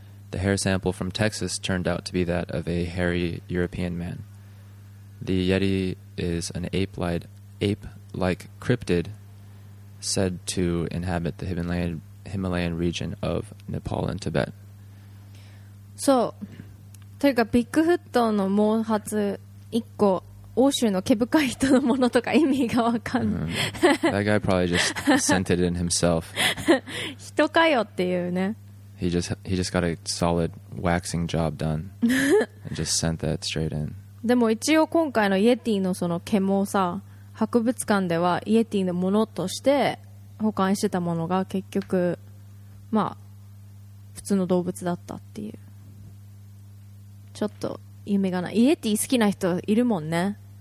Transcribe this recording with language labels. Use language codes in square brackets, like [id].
[en] The hair sample from Texas turned out to be that of a hairy European man. The Yeti is an ape-like cryptid said to inhabit the Himalayan region of Nepal and Tibet. So, [ja] というかビッグフットの毛髪一個欧州の毛深い人のものとか意味がわかんない。 [en] That guy probably just sent it in himself. [ja] 人かよっていうね。 [en] He just got a solid waxing job done and just sent that straight in. [ja] でも一応今回のイエティのその毛もさ、博物館ではイエティのものとして保管してたものが結局まあ普通の動物だったっていう。ちょっと夢がない。イエティ好きな人いるもんね。